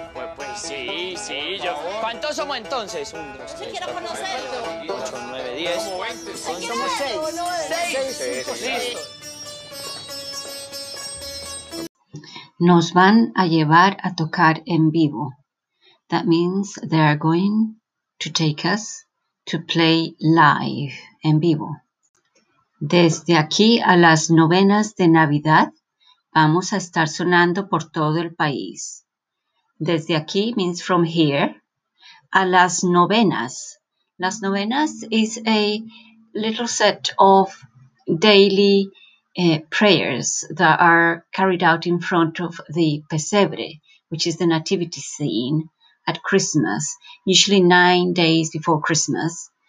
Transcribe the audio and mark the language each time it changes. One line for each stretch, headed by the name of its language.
Spanish: Pues sí, yo... ¿Cuántos somos entonces? Un, dos, tres, quiero conocerlo. 8, 9, 10. Somos 6. 6, listo. Nos van a llevar a tocar en vivo.
English: That means they are going to take us to play live,
Spanish: en vivo. Desde aquí a las novenas de Navidad, vamos a estar sonando por todo el país. Desde aquí
English: means from here,
Spanish: a las novenas.
English: Las novenas is a little set of daily prayers that are carried out in front of the pesebre, which is the nativity scene at Christmas, usually 9 days before Christmas.